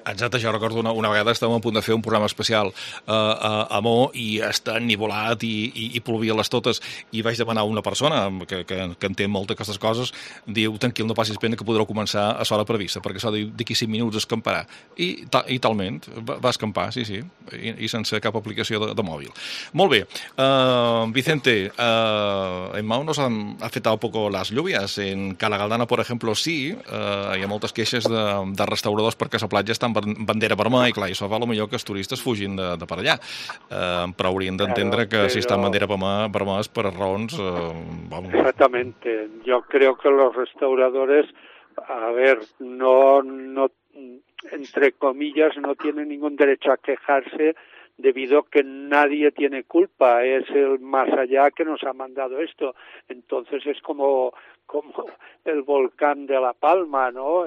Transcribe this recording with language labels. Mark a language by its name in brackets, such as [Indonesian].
[Catalan] Exacte, jo recordo una vegada estàvem a punt de fer un programa especial a Mo i està nivolat i plovia les totes i vaig demanar a una persona que entén molt d'aquestes coses, diu, tranquil, no passis pena que podreu començar a l'hora prevista, perquè això d'aquí 5 minuts escamparà. I talment va escampar, sí, sí, i sense cap aplicació de mòbil. Molt bé. [Spanish] Vicente, en Mau nos han afectado poco las lluvias. En Calagaldana, por ejemplo, sí. [Catalan] Hi ha moltes queixes de restauradors perquè la platja està en bandera vermella i, clar, això fa el millor que els turistes fugin de per allà. Però haurien d'entendre que si està en bandera vermella és per raons... [Spanish] Exactamente. Yo creo que los restauradores, a ver, no, entre comillas, no tienen ningún derecho a quejarse debido a que nadie tiene culpa, es el más allá que nos ha mandado esto. Entonces es como el volcán de La Palma, ¿no?